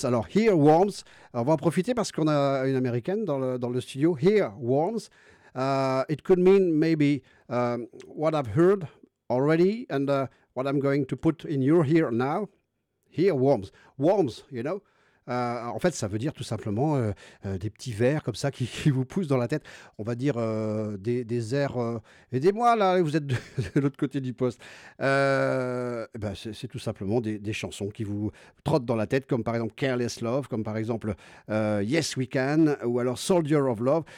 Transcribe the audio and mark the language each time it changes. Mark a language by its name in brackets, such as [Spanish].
[French] Alors Earworms, on va en profiter parce qu'on a une Américaine dans le studio. [English] Earworms, it could mean maybe what I've heard already and what I'm going to put in your ear now. Earworms, worms, you know. [French] En fait, ça veut dire tout simplement des petits vers comme ça qui vous poussent dans la tête. On va dire des airs. Aidez-moi là, vous êtes de l'autre côté du poste. Ben c'est tout simplement des chansons qui vous trottent dans la tête, comme par exemple Careless Love, comme par exemple Yes We Can, ou alors Soldier of Love.